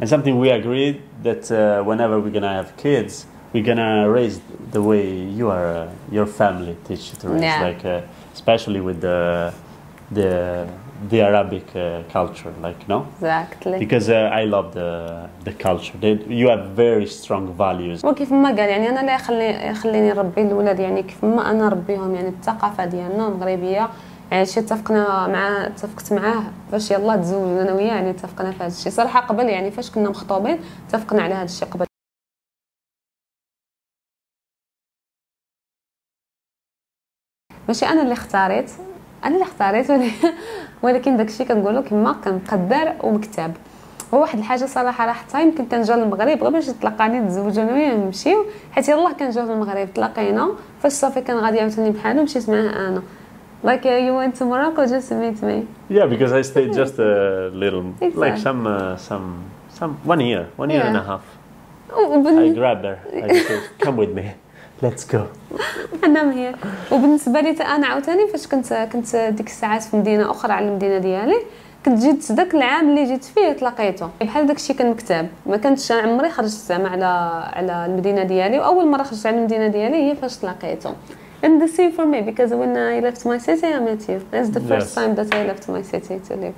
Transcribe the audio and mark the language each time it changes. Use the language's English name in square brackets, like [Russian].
[English] And something we agreed that whenever we're gonna have kids, we're gonna raise the way you are, your family teach you to raise, yeah. Like especially with the Arabic culture, like, no? Exactly. Because I love the culture. You have very strong values. [Arabic] وكيف ما قال يعني أنا لا يخليني ربي الولاد، يعني كيف ما أنا ربيهم، يعني الثقافة ديالنا مغربية، يعني شي اتفقنا مع اتفقت معاه فاش يلا تزوجنا أنا وياه، يعني اتفقنا في هذا الشيء صراحة قبل، يعني فاش كنا مخطوبين اتفقنا على هذا الشيء قبل. ماشي انا اللي اختاريت، انا اللي اختاريت، ولكن داكشي كنقولو كما كنقدر ومكتب. هو واحد الحاجه صراحه راه حتى يمكن تنجا للمغرب غير باش تلاقاني نتزوج انا وياه نمشيو، حيت يلاه كنجا للمغرب تلاقينا فاش صافي كان غادي عاوتاني بحالو مشيت معاه انا. [English] Like you went to Morocco just to meet me. Yeah, because I stayed just a little exactly. Like some 1 year yeah. And a half. I grabbed her. I said, come with me. Let's go. [Arabic] أنا هي. وبالنسبة لي أنا عاوتاني فاش كنت ديك الساعات في مدينة أخرى على المدينة ديالي، كنت جيت داك العام اللي جيت فيه تلاقيته بحال داكشي كان مكتب. ما كنتش عمري خرجت زعما على المدينة ديالي، وأول مرة خرجت على المدينة ديالي هي فاش تلاقيته. [English] And the same for me because when I left my city I met you. That's the first yes. time that I left my city to live.